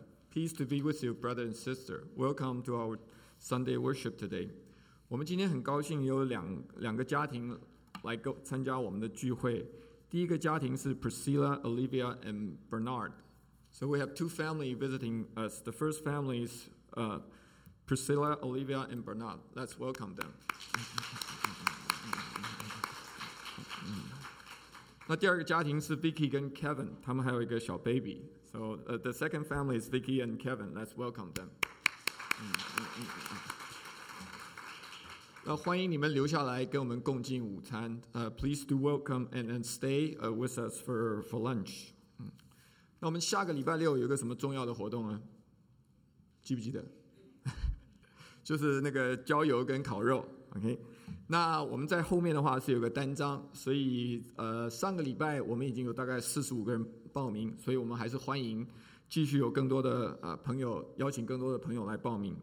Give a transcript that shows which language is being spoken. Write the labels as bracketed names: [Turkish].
[English] Peace to be with you, brother and sister. Welcome to our Sunday worship today. [Chinese] 我们今天很高兴有两个家庭来参加我们的聚会。第一个家庭是 Priscilla, Olivia, and Bernard. [English] So we have two families visiting us. The first family is Priscilla, Olivia, and Bernard. Let's welcome them. 那第二个家庭是 Vicky 跟 Kevin， 他们还有一个小 baby。 So the second family is Vicky and Kevin. Let's welcome them. [Chinese] 那欢迎你们留下来跟我们共进午餐。 [English] Please do welcome and stay with us for lunch. [Chinese] 那我们下个礼拜六有个什么重要的活动啊？记不记得？就是那个郊游跟烤肉。OK。那我们在后面的话是有个单张，所以上个礼拜我们已经有大概45个人报名，所以我们还是欢迎继续有更多的朋友，邀请更多的朋友来报名。